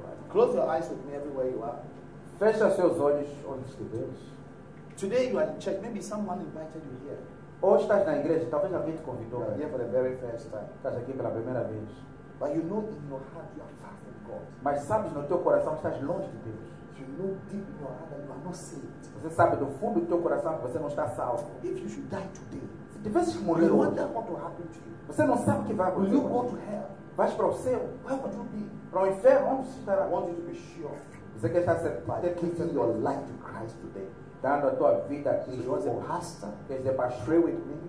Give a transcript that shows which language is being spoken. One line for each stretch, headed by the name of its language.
English: Close your eyes with me everywhere you are.
Portuguese: Fecha seus olhos onde estiveres.
English: Today you are in church. Maybe someone invited you here.
Portuguese: Hoje estás na igreja. Talvez alguém te convidou.
English: You're here for the very first time.
Portuguese: Estás aqui pela primeira vez.
English: But you know in your heart you are far from God.
Portuguese: Mas sabes no teu coração que estás longe de Deus.
English: You know deep in your heart that you are not saved.
Portuguese: Você sabe do fundo do teu coração que você não está salvo.
English: If you should die today,
Portuguese: se tivesses que morrer hoje,
English: you wonder what will happen to you.
Portuguese: Você não sabe o que vai acontecer.
English: Will you go to hell?
Portuguese: Vais para o céu?
English: Where would you be?
Portuguese: Para o inferno, onde você estará?
English: I want you to be sure.
Portuguese: Você quer estar certo?
English: By giving your life to Christ today.
Portuguese: Dando a tua vida a Cristo.
English: So you as a pastor, pray with me.